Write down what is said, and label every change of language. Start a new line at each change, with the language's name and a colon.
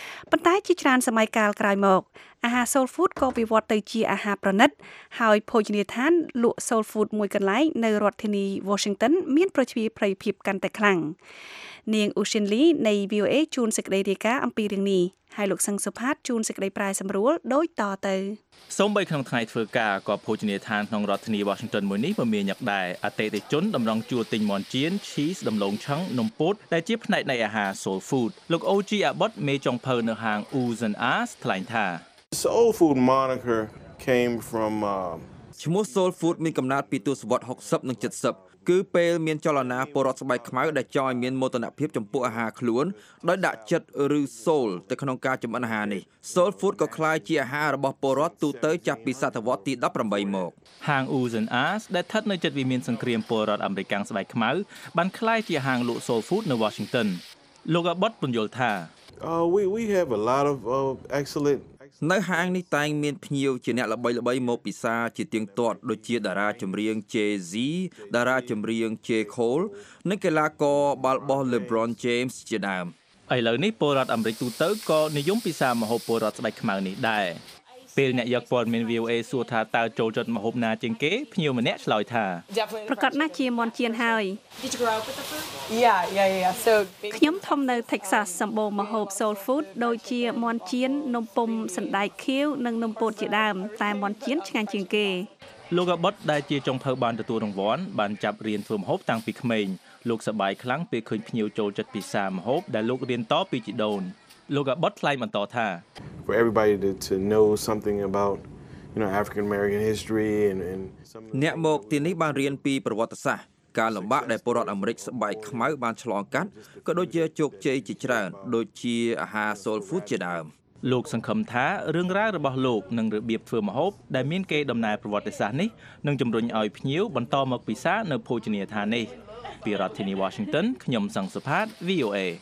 Khmer: ប៉ុន្តែជាច្រើនសម័យកាលក្រោយមកអាហារ Soul Food ក៏វិវត្តទៅជាអាហារប្រណិតហើយភោជនីយដ្ឋានលក់ Soul Food មួយកន្លែងនៅរដ្ឋធានី Washington មានប្រជាប្រិយភាពកាន់តែខ្លាំងនាងអូសិនលីនៃ VOA ជួនសេចក្តីរាយការណ៍អំពីរឿងនេះហើយលោកសឹងសុផាតជួនសេចក្តីប្រាយសម្រួលដូចតទៅ សូមបីក្នុងថ្ងៃធ្វើការក៏ភោជនីយដ្ឋានក្នុងរដ្ឋធានី Washington មួយនេះពមាញឹកដែរអតិថិជនតម្រង់ជួរទិញមាន់ចៀនឈីសដំឡូងឆឹងនំពោតដែលជាផ្នែកនៃអាហារ Soul Food លោក OG Abbott មេចុងភៅនៅហាង Usen Arts ថ្លែងថា
English: Soul food moniker came from
Khmer: ឈ្មោះ Soul food មានកំណើតពីទសវត្ស60និង70គឺពេលមានចលនាពលរដ្ឋស្បែកខ្មៅដែលចង់ឲ្យមានមោទនភាពចំពោះអាហារខ្លួនដោយដាក់ចិត្តឬ Soul ទៅក្នុងការចម្អិនអាហារនេះ Soul food ក៏ក្លាយជាអាហាររបស់ពលរដ្ឋទូទៅចាប់ពីសតវត្សទី18មក ហាង Usen Arts ដែលស្ថិតនៅជិតវិមានសង្គ្រាមពលរដ្ឋអាមេរិកស្បែកខ្មៅបានក្លាយជាហាងលក់ Soul food នៅ Washington លោកអបតពន្យល់ថា
English: We have a lot of excellent
Khmer: នៅហាងនេះតែងមានភ្ញៀវជាអ្នកល្បីល្បីមកពិសាជាទៀងទាត់ដូចជាតារាចម្រៀង Jay-Z តារាចម្រៀង J. Cole និងកីឡាករបាល់បោះ LeBron James ជាដើម ឥឡូវនេះពលរដ្ឋអាមេរិកទូទៅក៏និយមពិសាម្ហូបពលរដ្ឋស្បែកខ្មៅនេះដែរពេលអ្នកយកព័ត៌មាន VOA សួរថាតើចូលចិត្តម្ហូបណាជាងគេភ្ញៀវម្នាក់ឆ្លើយថា ប្រកបណាស់ជាមន់ជៀនហើយ
English: Yeah so
Khmer: ខ្ញុំធំនៅ Texas សម្បូរម្ហូប Soul Food ដូចជាមន់ជៀននំពុម្ពសណ្ដែកខៀវនិងនំពោតជាដើមតែមន់ជៀនឆ្ងាញ់ជាងគេ លោកអបតដែលជាចុងភៅបានទទួលរង្វាន់បានចាប់រៀនធ្វើម្ហូបតាំងពីក្មេងលោកសប្បាយខ្លាំងពេលឃើញភ្ញៀវចូលចិត្តពិសាម្ហូបដែលលោករៀនតពីជីដូនលោកអបតថ្លែងបន្តថា
English: For everybody to know something about you know African American history and some
Khmer: អ្នកមកទីនេះបានរៀនពីប្រវត្តិសាស្ត្រការលំបាកដែលពលរដ្ឋអាមេរិកស្បែកខ្មៅបានឆ្លងកាត់ក៏ដូចជាជោគជ័យជាច្រើនដូចជាអាហារ Soul Food ជាដើម លោកសង្ឃឹមថារឿងរ៉ាវរបស់លោកនិងរបៀបធ្វើម្ហូបដែលមានគេដំណើរប្រវត្តិសាស្ត្រនេះនឹងជំរុញឲ្យភ្ញៀវបន្តមកពិសានៅភោជនីយដ្ឋាននេះពីរដ្ឋធានី Washington ខ្ញុំសង្ឃសុផាត VOA